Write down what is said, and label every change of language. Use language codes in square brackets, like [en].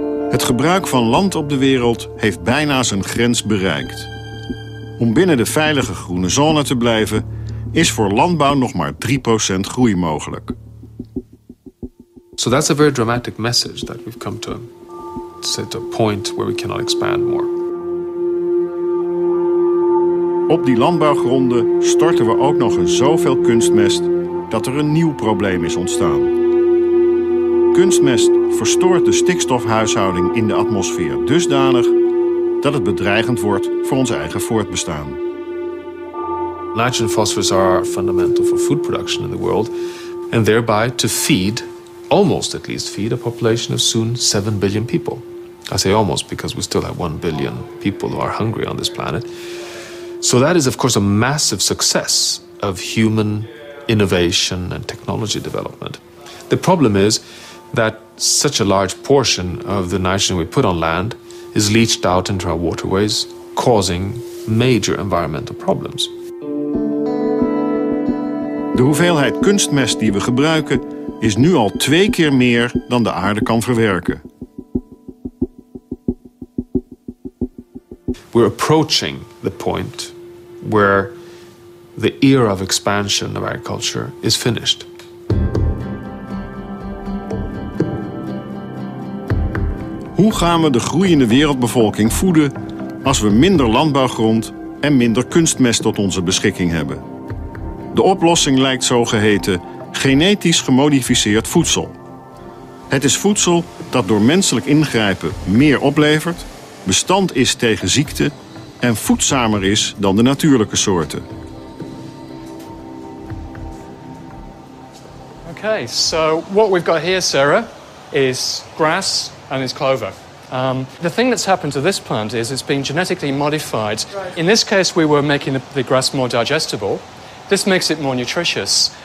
[nl] Het gebruik van land op de wereld heeft bijna zijn grens bereikt. Om binnen de veilige groene zone te blijven, is voor landbouw nog maar 3% groei mogelijk. [en] So that's a very dramatic message that we've come to set a point where we cannot expand more. [nl] Op die landbouwgronden storten we ook nog eens zoveel kunstmest dat er een nieuw probleem is ontstaan. Kunstmest verstoort de stikstofhuishouding in de atmosfeer dusdanig dat het bedreigend wordt voor ons eigen voortbestaan. [en] Nitrogen and phosphorus are fundamental for food production in the world, and thereby to feed, almost at least feed, a population of soon 7 billion people. I say almost because we still have 1 billion people who are hungry on this planet. So that is of course a massive success of human innovation and technology development. The problem is that such a large portion of the nitrogen we put on land is leached out into our waterways, causing major environmental problems. [nl] De hoeveelheid kunstmest die we gebruiken is nu al 2 keer meer dan de aarde kan verwerken. [en] We're approaching the point where the era of expansion of agriculture is finished. [nl] Hoe gaan we de groeiende wereldbevolking voeden als we minder landbouwgrond en minder kunstmest tot onze beschikking hebben? De oplossing lijkt zogeheten genetisch gemodificeerd voedsel. Het is voedsel dat door menselijk ingrijpen meer oplevert, bestand is tegen ziekte en voedzamer is dan de natuurlijke soorten. [en] Okay, so what we've got here, Sarah, is grass and is clover. The thing that's happened to this plant is it's been genetically modified. In this case, we were making the grass more digestible. This makes it more nutritious.